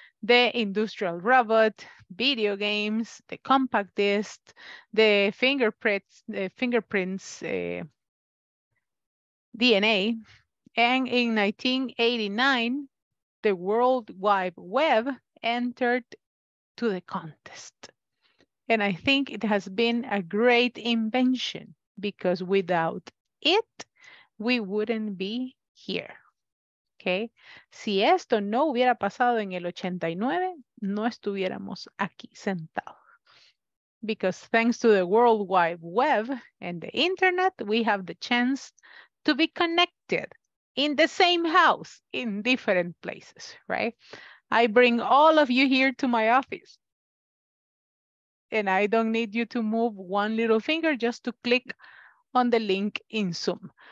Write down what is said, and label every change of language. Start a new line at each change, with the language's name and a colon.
English: the industrial robot, video games, the compact disc, the fingerprints, DNA, and in 1989, the World Wide Web entered to the contest. And I think it has been a great invention because without it, we wouldn't be here. Okay.
Spanish: Si esto no hubiera pasado en el 89, no estuviéramos aquí sentados.
English: Because thanks to the World Wide Web and the internet, we have the chance to be connected in the same house in different places, right? I bring all of you here to my office. And I don't need you to move one little finger just to click on the link in Zoom.